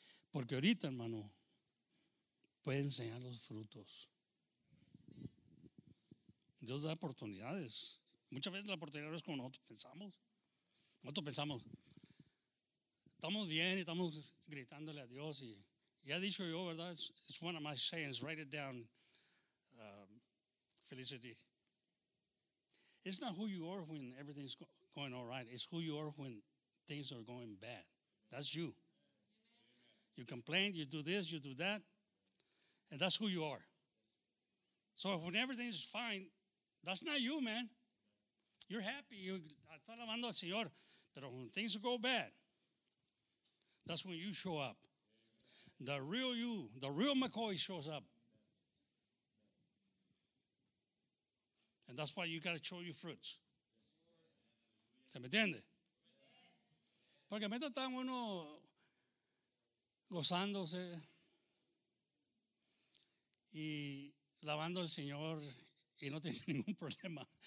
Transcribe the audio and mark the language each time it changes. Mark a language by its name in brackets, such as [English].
[Spanish] Porque ahorita, hermano, puede enseñar los frutos. Dios da oportunidades. Muchas veces la oportunidad no es como nosotros pensamos. Nosotros pensamos, estamos bien y estamos gritándole a Dios. Y ya he dicho yo, ¿verdad? [English] It's one of my sayings, write it down, Felicity. It's not who you are when everything's going all right. It's who you are when things are going bad. That's you. You complain, you do this, you do that, and that's who you are. So when everything is fine, that's not you, man. You're happy. You [Spanish] está alabando al Señor. [English] Pero when things go bad, that's when you show up. The real you, the real McCoy shows up. And that's why you got to show your fruits. [Spanish] ¿Se me entiende? Porque mientras están uno gozándose y lavando al Señor y no tiene ningún problema.